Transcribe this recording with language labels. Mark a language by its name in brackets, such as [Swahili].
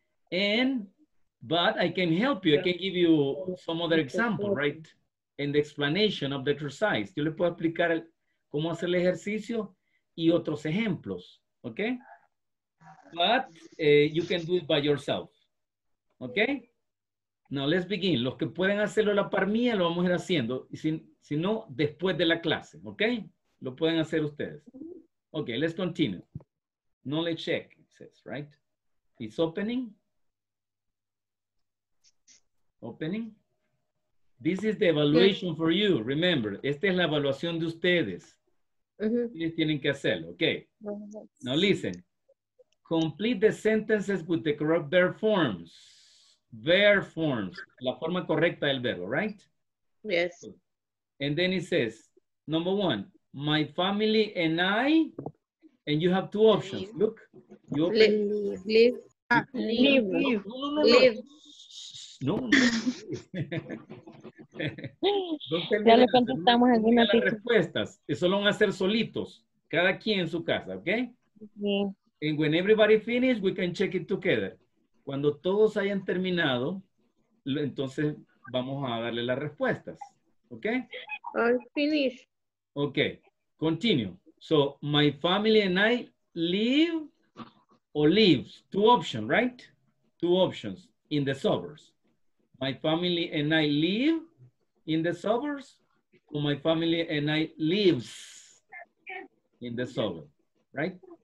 [English] But I can help you. I can give you some other example, right? And the explanation of the exercise. [Spanish] Yo les puedo explicar cómo hacer el ejercicio y otros ejemplos, okay? [English] But you can do it by yourself, okay? Now let's begin. [Spanish] Los que pueden hacerlo a la par mía, lo vamos a ir haciendo. Si no, después de la clase, okay? Lo pueden hacer ustedes. Okay, let's continue. [English] Knowledge check, it says, right? It's opening. Opening. This is the evaluation for you. [Spanish] Remember, esta es la evaluación de ustedes. Ustedes tienen que hacerlo, okay? [English] Now listen. Complete the sentences with the correct verb forms. [Spanish] Verb forms. La forma correcta del verbo, right? [English] Yes. And then it says, number one, my family and I, and you have two options. Live. Look. You open. Live. Live. No. [Spanish] Ya le contestamos algunas respuestas. Eso lo van a hacer solitos, cada quien en su casa, ¿ok? Sí. [English] And when everybody finish, we can check it together. [Spanish] Cuando todos hayan terminado, entonces vamos a darle las respuestas. [English] Okay? I'll finish. Okay, continue. So, my family and I live or lives? Two options, right? Two options in the suburbs. My family and I live in the suburbs, or my family and I lives in the suburbs, right?